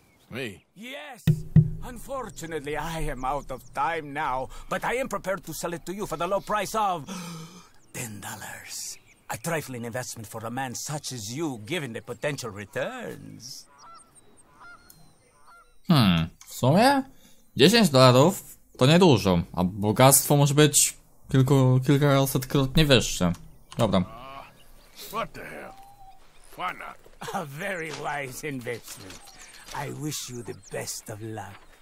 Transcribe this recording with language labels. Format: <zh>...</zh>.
<en>Me? Yes. Unfortunately, I am out of time now, but I am prepared to sell it to you for the low price of... $10. A trifling investment for a man such as you, given the potential returns.</en> <pl>W sumie? $10 to niedużo, a bogactwo może być kilkasetkrotnie wyższe. Dobra.</pl> <en>What the hell? Why not? A very wise investment. I wish you the best of luck.</en>